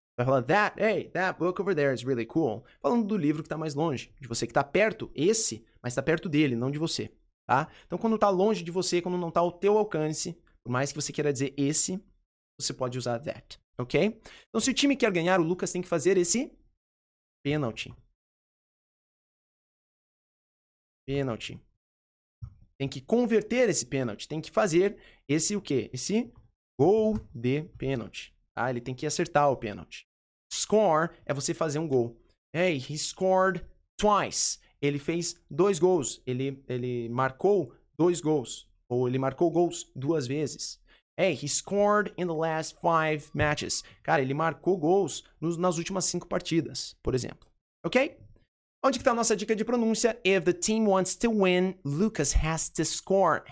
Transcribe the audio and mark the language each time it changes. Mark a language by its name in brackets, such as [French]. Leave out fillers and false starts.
[Portuguese] Vai falar, [English] that, hey, that book over there is really cool. [Portuguese] Falando do livro que tá mais longe, de você que tá perto, esse, mas tá perto dele, não de você, tá? Então quando tá longe de você, quando não tá ao teu alcance, por mais que você queira dizer esse, você pode usar that, ok? Então, se o time quer ganhar, o Lucas tem que fazer esse penalty. Penalty. Tem que converter esse penalty. Tem que fazer esse o quê? Esse gol de penalty. Tá? Ele tem que acertar o penalty. Score é você fazer um gol. [English] Hey, he scored twice. [Portuguese] Ele fez dois gols. Ele marcou dois gols. Ou ele marcou gols duas vezes. [English] Hey, he scored in the last 5 matches. [Portuguese] Cara, ele marcou gols nas últimas 5 partidas, por exemplo. Ok? Onde que tá a nossa dica de pronúncia? [English] If the team wants to win, Lucas has to score.